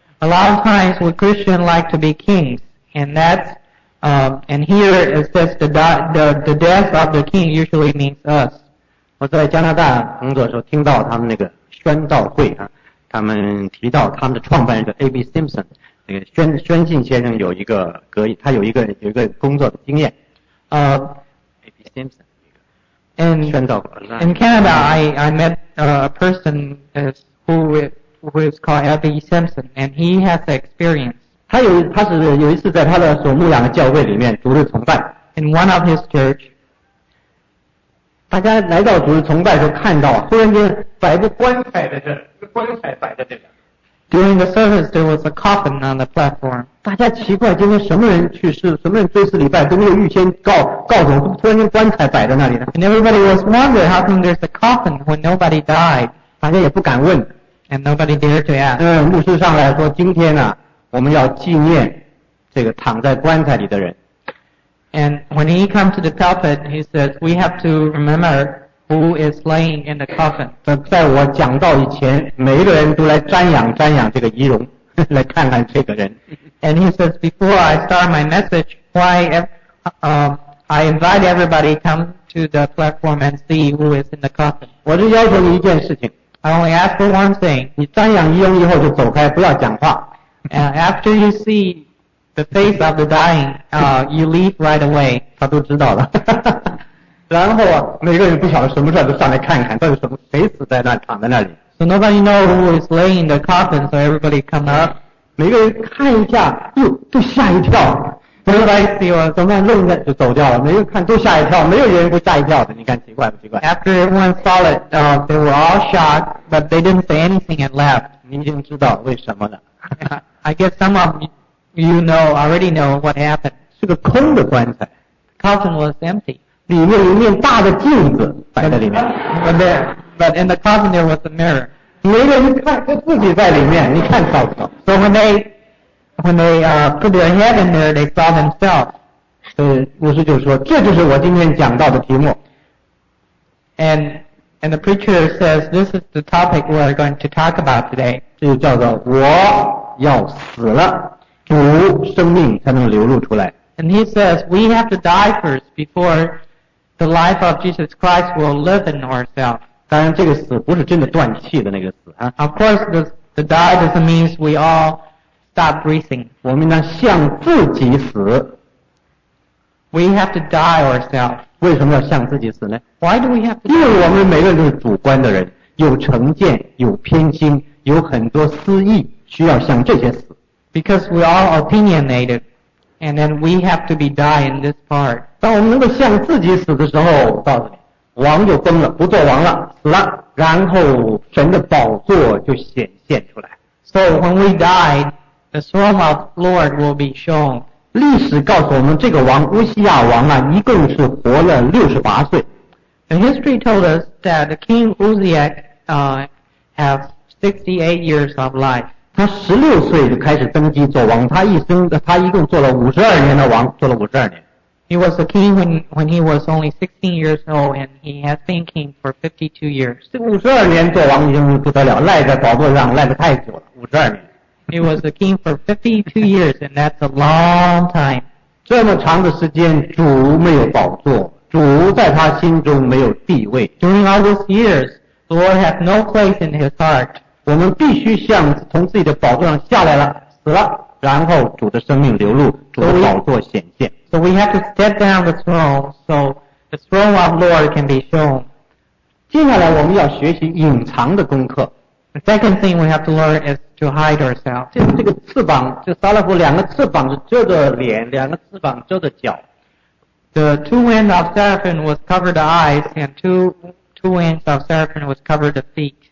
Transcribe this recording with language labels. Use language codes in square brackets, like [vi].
[en] A lot of times we Christians like to be kings, and that's, and here it says the death of the king usually means us. [zh] 我在加拿大工作的时候听到他们那个宣道会啊，他们提到他们的创办人叫 A.B. Simpson， 那个宣信先生有一个格，他有一个工作的经验。 A.B. Simpson。 [en] In Canada, I met a person who is called L.B. Simpson, and he has the experience. [zh] 他有一次在他的所牧养的教会里面逐日崇拜。 [en] In one of his church, [zh] 大家来到逐日崇拜的时候看到，忽然间摆个棺材在这，棺材摆在这边。 [en] During the service, there was a coffin on the platform. [zh] 大家奇怪，今天什么人去世，什么人追思礼拜，都没有预先告诉我，突然间棺材摆在那里呢？ [en] And everybody was wondering how come there's a coffin when nobody died. [zh] 大家也不敢问。 [en] And nobody dared to ask. [zh] 牧师上来说，今天呢，我们要纪念这个躺在棺材里的人。 [en] And when he came to the pulpit, he said, we have to remember. Who is laying in the coffin? [zh] 在我讲道以前，每一个人都来瞻仰瞻仰这个遗容，来看看这个人。 [en] And he says, before I start my message, I invite everybody come to the platform and see who is in the coffin. [zh] 我就要求你一件事情。 [en] I only ask for one thing. [zh] 你瞻仰遗容以后就走开，不要讲话。 [en] And after you see the face of the dying, you leave right away. [zh] 他都知道了。然后啊，每个人不晓得什么事都上来看看，到底什么谁死在那躺在那里。 [en] So nobody knows who is laying in the coffin, so everybody come up. [zh] 每个人看一下，哟，都吓一跳。 [en] Nobody see what [zh] 怎么弄的就走掉了。每个人看都吓一跳，没有人不吓一跳的。你看奇怪不奇怪 [en] ？After everyone saw it, they were all shocked, but they didn't say anything and left. [zh] 你已经知道为什么了。 [en] I guess some of you know already know what happened. [zh] 是个空的棺材。 [en] Coffin was empty. [zh] 里面有一面大的镜子摆在里面。 [en] But in the coffin there was a mirror. [zh] 每个人看他自己在里面，你看到不到。 [en] So when they put their head in there, they saw themselves. [zh] 牧师就说，这就是我今天讲到的题目。 [en] And the preacher says, this is the topic we are going to talk about today. [zh] 这就叫做我要死了，主生命才能流露出来。 [en] And he says, we have to die first before. The life of Jesus Christ will live in ourselves. [zh] 当然这个死不是真的断气的那个死、啊、 [en] Of course, the die doesn't mean we all stop breathing. [zh] 我们应当向自己死。 [en] We have to die ourselves. [zh] 为什么要向自己死呢？ [en] Why do we have to die? [zh] 因为我们每个人都是主观的人，有成见，有偏心，有很多私意，需要向这些死。 [en] Because we are opinionated, and then we have to be die in this part. [zh] 当我们能够向自己死的时候，告诉你，王就崩了，不做王了，死了，然后神的宝座就显现出来。 [en] So when we die, the throne of Lord will be shown. [zh] 历史告诉我们，这个王乌西亚王啊，一共是活了68岁。 [en] The history told us that the King Uzziah has 68 years of life. [zh] 他16岁就开始登基做王，他一共做了52年的王，做了52年。 [en] He was a king when he was only 16 years old, and he has been king for 52 years. [zh] 52年做王已经不得了，赖在宝座上赖得太久了。52年。 [en] He was the king for 52 years, and that's a long time. [zh] 这么长的时间，主没有宝座，主在他心中没有地位。 [en] During all those years, the Lord had no place in his heart. [zh] 我们必须像从自己的宝座上下来了，死了，然后主的生命流露，主的宝座显现。 [en] So we have to step down the throne, so the throne of the Lord can be shown. [zh] 接下来我们要学习隐藏的功课。 [en] The second thing we have to learn is to hide ourselves. [zh] 这个翅膀，就撒勒夫两个翅膀是遮着脸，两个翅膀遮着脚。 [en] The two wings of seraphim was covered the eyes, and two wings of seraphim was covered the feet.